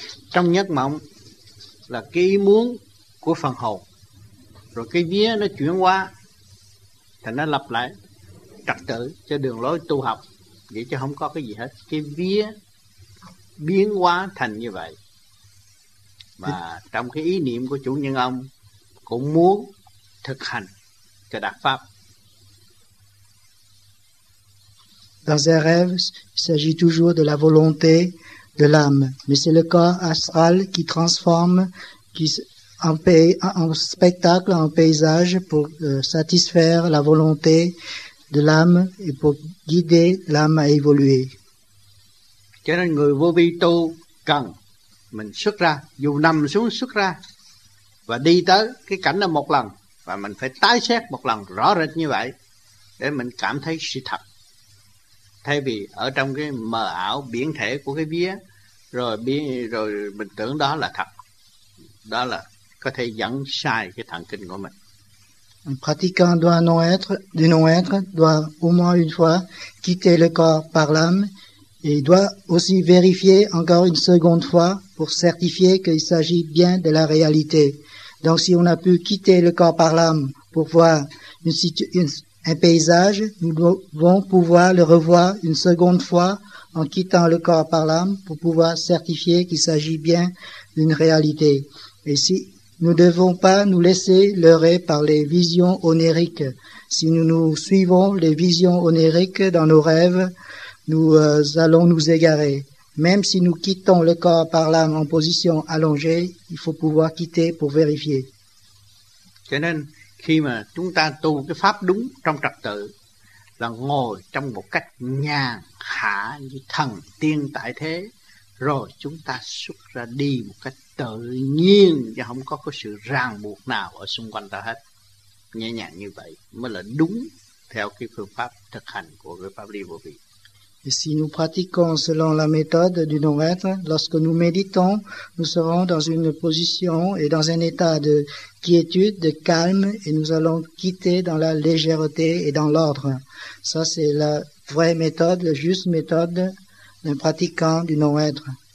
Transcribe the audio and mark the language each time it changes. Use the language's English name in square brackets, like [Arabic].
[Vietnamese] Trong giấc mộng là cái ý muốn của phần hồn, rồi cái vía nó chuyển qua thì nó lặp lại trật tự cho đường lối tu học, vậy chứ không có cái gì hết. Cái vía biến hóa thành như vậy mà trong cái ý niệm của chủ nhân ông cũng muốn thực hành cho đạt pháp. [French] Dans un rêve, il s'agit toujours de la volonté de l'âme, mais c'est le corps astral qui transforme en spectacle, en paysage pour satisfaire la volonté de l'âme et pour guider l'âme à évoluer. [Vietnamese] Cho nên người vô vi tu cần mình xuất ra, dù nằm xuống xuất ra và đi tới cái cảnh đó một lần và mình phải tái xét một lần rõ rệt như vậy để mình cảm thấy sự thật. Thay vì ở trong cái mờ ảo biển thể của cái vía rồi mình tưởng đó là thật, đó là có thể dẫn sai cái thần kinh của mình. [French] Un pratiquant doit non-être doit au moins une fois quitter le corps par l'âme et doit aussi vérifier encore une seconde fois pour certifier qu'il s'agit bien de la réalité. Donc si on a pu quitter le corps par l'âme pour voir un paysage, nous devons pouvoir le revoir une seconde fois en quittant le corps par l'âme pour pouvoir certifier qu'il s'agit bien d'une réalité. Et si nous ne devons pas nous laisser leurrer par les visions onériques, si nous suivons les visions onériques dans nos rêves, nous allons nous égarer. Même si nous quittons le corps par l'âme en position allongée, il faut pouvoir quitter pour vérifier. Kenan. [Vietnamese] Khi mà chúng ta tu cái pháp đúng trong trật tự là ngồi trong một cách nhàn hạ như thần tiên tại thế, rồi chúng ta xuất ra đi một cách tự nhiên, chứ không có sự ràng buộc nào ở xung quanh ta hết. Nhẹ nhàng như vậy mới là đúng theo cái phương pháp thực hành của cái pháp lý vô vi. [French] Et si nous pratiquons selon la méthode du non-être, lorsque nous méditons, nous serons dans une position et dans un état de quiétude, de calme, et nous allons quitter dans la légèreté et dans l'ordre. Ça, c'est la vraie méthode, la juste méthode d'un pratiquant du non-être.